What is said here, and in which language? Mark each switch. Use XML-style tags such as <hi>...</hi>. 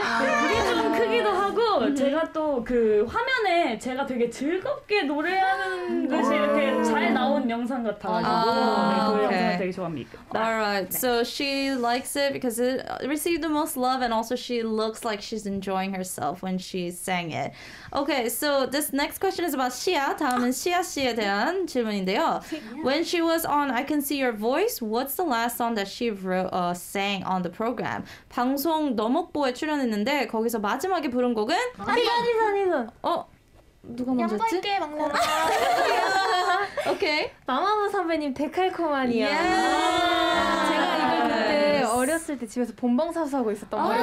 <ko>그게 좀 크기도 하고 제가 또 그 화면에 제가 되게 즐겁게 노래하는 것이 이렇게 잘 나온 영상. 영상 같아 가지고 그 영상 되게 좋아합니다.</ko> <en>Alright, 네. So she likes it because it received the most love, and also she looks like she's enjoying herself when she sang it. Okay, so this next question is about Shia.</en> <ko>다음은 Shia 씨에 대한 질문인데요.</ko> <en>When she was on I Can See Your Voice, what's the last song that she wrote, sang on the program?</en> <ko>방송 너목보에 출연했는데 거기서 마지막에 부른 곡은? 아니선. 어? 누가 먼저 했지? 양보할게, 막내. 오케이. 마마무 선배님 데칼코마니아. 어렸을 때 집에서 본방사수 하고 있었던 거예요.</ko>